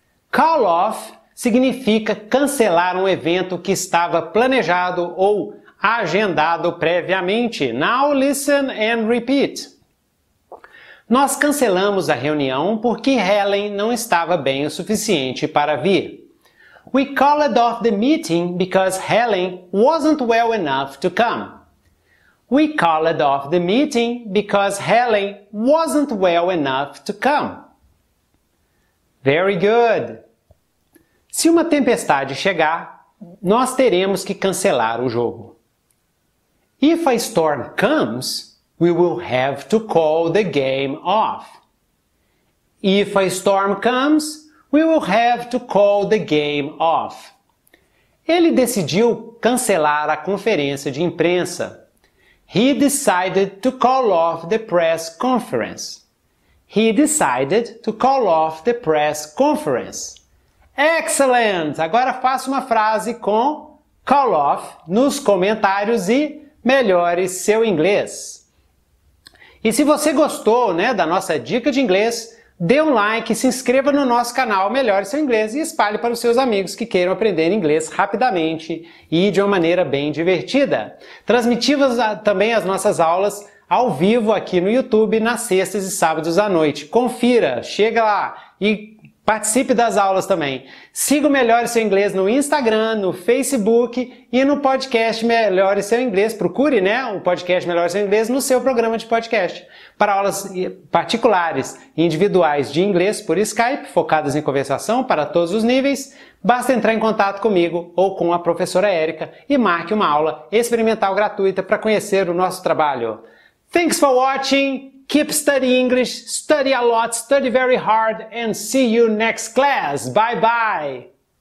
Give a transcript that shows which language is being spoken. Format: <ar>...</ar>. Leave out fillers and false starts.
<pt>Call off significa cancelar um evento que estava planejado ou agendado previamente.</pt> <en>Now listen and repeat.</en> <pt>Nós cancelamos a reunião porque Helen não estava bem o suficiente para vir.</pt> <en>We called off the meeting because Helen wasn't well enough to come. We called off the meeting because Helen wasn't well enough to come. Very good.</en> <pt>Se uma tempestade chegar, nós teremos que cancelar o jogo.</pt> <en>If a storm comes, we will have to call the game off. If a storm comes, we will have to call the game off.</en> <pt>Ele decidiu cancelar a conferência de imprensa.</pt> <en>He decided to call off the press conference. He decided to call off the press conference. Excellent!</en> <pt>Agora faça uma frase com call off nos comentários e melhore seu inglês. E se você gostou, né, da nossa dica de inglês, dê um like, se inscreva no nosso canal Melhore Seu Inglês e espalhe para os seus amigos que queiram aprender inglês rapidamente e de uma maneira bem divertida. Transmitimos também as nossas aulas ao vivo aqui no YouTube nas sextas e sábados à noite. Confira, chega lá e participe das aulas também. Siga o Melhore Seu Inglês no Instagram, no Facebook e no podcast Melhore Seu Inglês. Procure, né, o podcast Melhore Seu Inglês no seu programa de podcast. Para aulas particulares e individuais de inglês por Skype, focadas em conversação para todos os níveis, basta entrar em contato comigo ou com a professora Erika e marque uma aula experimental gratuita para conhecer o nosso trabalho.</pt> <en>Thanks for watching! Keep studying English, study a lot, study very hard, and see you next class. Bye bye!</en>